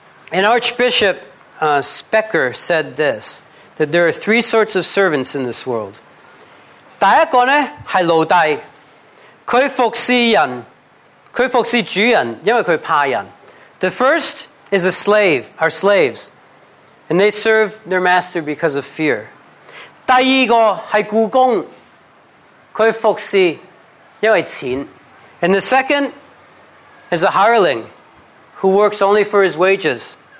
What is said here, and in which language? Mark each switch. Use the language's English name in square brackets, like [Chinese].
[English] And Archbishop Specker said this, that there are three sorts of servants in this world. [Chinese] 第一个呢，是奴隶。他服侍人，他服侍主人，因为他怕人。 [English] The first is a slave, our slaves. And they serve their master because of fear. [Chinese] 第二个是雇工，他服侍因为钱。 [English] And the second is a hireling who works only for his wages.